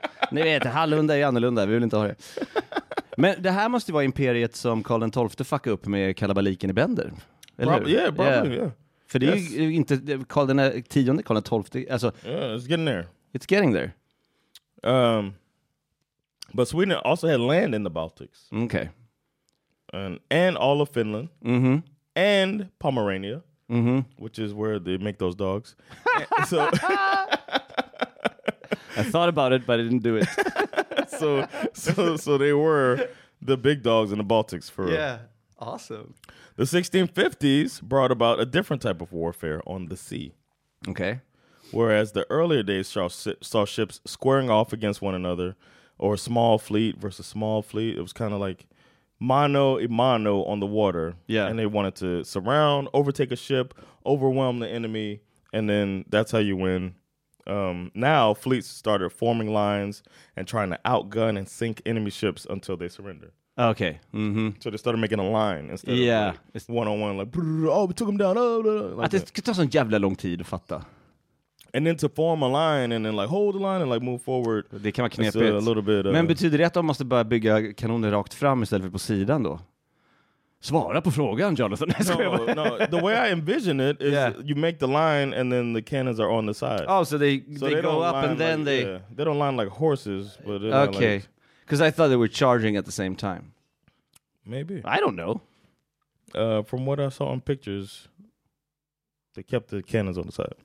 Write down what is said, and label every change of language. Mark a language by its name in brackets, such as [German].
[Swedish] Ni vet, Hallunda är annorlunda. Vi vill inte ha det. Men det här måste ju vara imperiet som Karl den 12:e fuckade upp med kalabaliken i Bender. Eller [English] probably, [Swedish] hur? [English] Yeah, probably, yeah. Yeah. [Swedish] För det är ju inte Karl den 10:e, Karl den 12:e. Alltså, [English] yeah, it's getting there. It's getting there. But Sweden also had land in the Baltics. Okay. And all of Finland. Mm-hmm. And Pomerania. Mm-hmm. Which is where they make those dogs. So, I thought about it, but I didn't do it. So they were the big dogs in the Baltics for real. Yeah, awesome. The 1650s brought about a different type of warfare on the sea. Okay. Whereas the earlier days saw ships squaring off against one another, or a small fleet versus small fleet. It was kind of like mano a mano on the water. Yeah. And they wanted to surround, overtake a ship, overwhelm the enemy, and then that's how you win. Now, fleets started forming lines and trying to outgun and sink enemy ships until they surrender. Okay. Mm-hmm. So they started making a line instead of like, one-on-one, like, oh, we took them down. Oh, like [Swedish] det ska ta sån jävla lång tid att fatta. [English] And then to form a line and then like hold the line and like move forward. [Swedish] Det kan vara knepigt. [English] A little bit, [Swedish] men betyder det att de måste börja bygga kanoner rakt fram istället för på sidan då? Svara på frågan, Jonathan. [English] No, the way I envision it is you make the line and then the cannons are on the side. Oh, so they go up and then like, they don't line like horses. But okay. Because like, I thought they were charging at the same time. Maybe. I don't know. From what I saw in pictures, they kept the cannons on the side.